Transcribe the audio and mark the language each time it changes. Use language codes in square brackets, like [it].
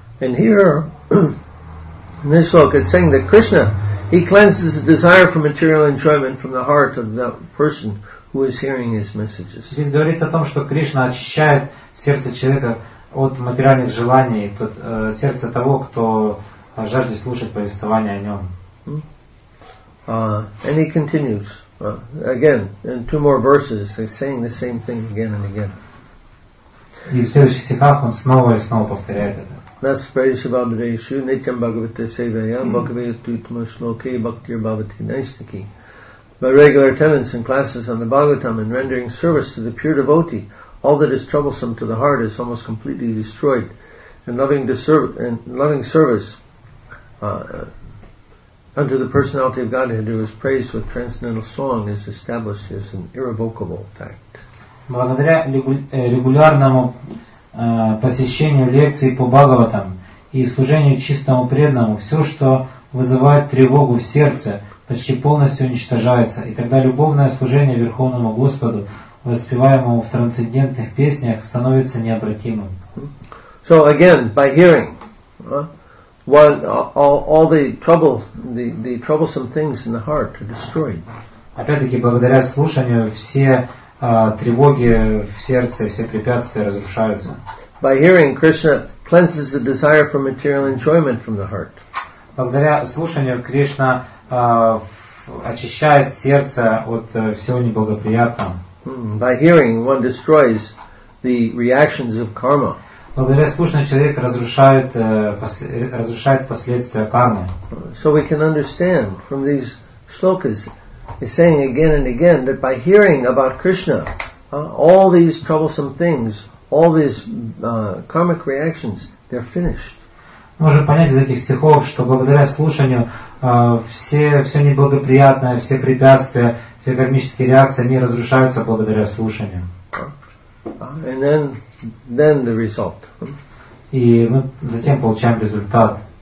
[en] And here, in this book, it's saying that Krishna, he cleanses the desire for material enjoyment from the heart of the person who is hearing his messages. [ru] Здесь говорится о том, что Кришна очищает сердце человека от материальных желаний, сердце того, кто жаждет слушать повествование о нем. [en] And he continues again in two more verses, saying the same thing again and again. [ru] И в следующих стихах он снова и снова повторяет это. [sa] Нас прежде бабдейшу нитям бхагавате севаям бхагавету тмашлоке бхактир бхавати найстики. [en] By regular attendance in classes on the Bhagavatam and rendering service to the pure devotee, all that is troublesome to the heart is almost completely destroyed, and loving service unto the personality of Godhead, who is praised with transcendental song, is established as an irrevocable fact. [ru] Благодаря регулярному посещению лекций по Бхагаватам и служению чистому преданному, все, что вызывает тревогу в сердце, почти полностью уничтожается, и тогда любовное служение Верховному Господу, воспеваемому в трансцендентных песнях, становится необратимым. [en] So again, by hearing, all the troubles, the troublesome things in the heart are destroyed. [ru] Опять-таки, благодаря слушанию, все тревоги в сердце, все препятствия разрушаются. [en] By hearing, Krishna cleanses the desire for material enjoyment from the heart. [ru] Благодаря слушанию, Кришна очищает сердце от всего неблагоприятного. [en] By hearing, one destroys the reactions of karma. [ru] Благодаря слушанию, человек разрушает последствия кармы. [en] So we can understand from these shlokas, he's saying again and again that by hearing about Krishna, all these troublesome things, all these karmic reactions, they're finished. [ru] Можем понять из этих стихов, что благодаря слушанию все неблагоприятное, все препятствия, все кармические реакции, они разрушаются благодаря слушанию. [en] And then the result. [ru] И мы затем получаем результат.